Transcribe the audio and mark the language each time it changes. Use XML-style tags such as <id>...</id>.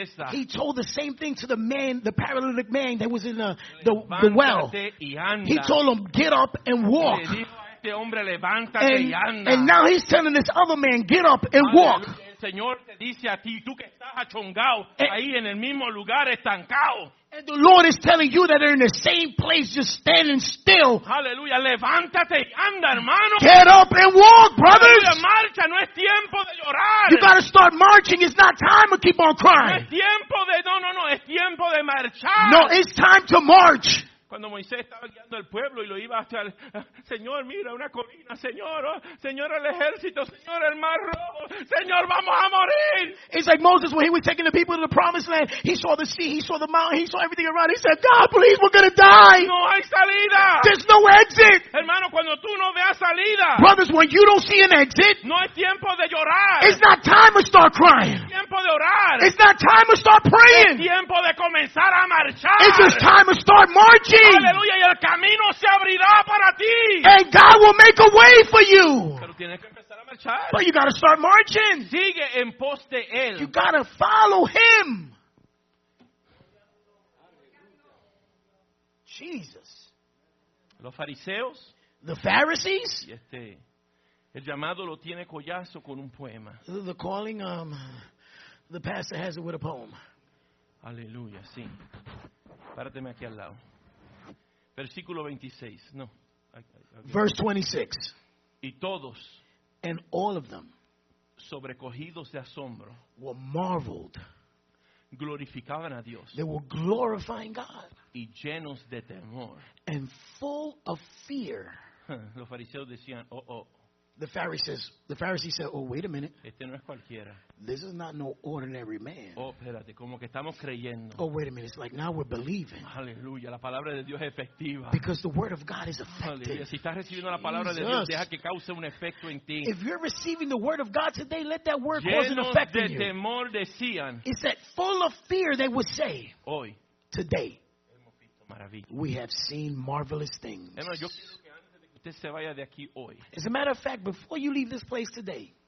<en>He told the same thing to the man, the paralytic man that was in the well. He told him, get up and walk. And now he's telling this other man, get up and walk.</en> <es>Señor te dice a ti, tú que estás achongado ahí en el mismo lugar estancado.</es> <en>And the Lord is telling you that they're in the same place, just standing still.</en> <es>Hallelujah. Levántate y anda, hermano.</es> <en>Get up and walk, brothers.</en> <es>Hallelujah. Marcha, no es tiempo de llorar.</es> <en>You got to start marching. It's not time to keep on crying.</en> <es>No es tiempo de, no, es tiempo de marchar.</es> <en>No, it's time to march.</en> <es>Cuando Moisés estaba guiando al pueblo y lo iba hasta el Señor, mira una colina, Señor, oh, Señor el ejército, Señor el mar rojo, Señor vamos a morir.</es> <en>It's like Moses when he was taking the people to the promised land. He saw the sea, he saw the mountain, he saw everything around. He said, God, please, we're gonna die.</en> <es>No hay salida.</es> <en>There's no exit.</en> <es>Hermano, cuando tú no veas salida.</es> <en>Brothers, when you don't see an exit.</en> <es>No es tiempo de llorar.</es> <en>It's not time to start crying.</en> <es>Es tiempo de orar.</es> <en>It's not time to start praying.</en> <es>Es tiempo de comenzar a marchar.</es> <en>It's just time to start marching.</en> <es>Hallelujah, y el camino se abrirá para ti.</es> <en>And God will make a way for you.</en> <es>Pero tienes que empezar a marchar.</es> <en>But you got to start marching.</en> <es>Sigue en pos de él.</es> <en>You got to follow him. Jesus.</en> <es>Los fariseos.</es> <en>The Pharisees.</en> <es>Y este, el llamado lo tiene Collazo con un poema.</es> <en>The calling, the pastor has it with a poem.</en> <es>Aleluya, sí. Párateme aquí al lado. Versículo 26. No.</es> <en>Verse 26.</en> <es>Y todos,</es> <en>and all of them,</en> <es>sobrecogidos de asombro,</es> <en>were marveled.</en> <es>Glorificaban a Dios.</es> <en>They were glorifying God.</en> <es>Y llenos de temor.</es> <en>And full of fear.</en> <es>Los fariseos decían, oh, oh.</es> <en>The Pharisees said, oh, wait a minute.</en> <es>Este no es cualquiera.</es> <en>This is not no ordinary man.</en> <es>Oh, espérate, como que estamos creyendo.</es> <en>Oh, wait a minute. It's like now we're believing.</en> <es>Hallelujah. La palabra de Dios es efectiva.</es> <en>Because the word of God is effective. Hallelujah.</en> <es>Si estás recibiendo la palabra de Dios, deja que cause un efecto en ti.</es> <en>If you're receiving the word of God today, let that word cause an effect</en> <es>de</es> <en>in you.</en> <es>Llenos de temor decían.</es> <en>It's that full of fear they would say.</en> <es>Hoy.</es> <en>Today.</en> <es>Hemos visto maravilla.</es> <en>We have seen marvelous things. As a matter of fact, before you leave this place today,</en>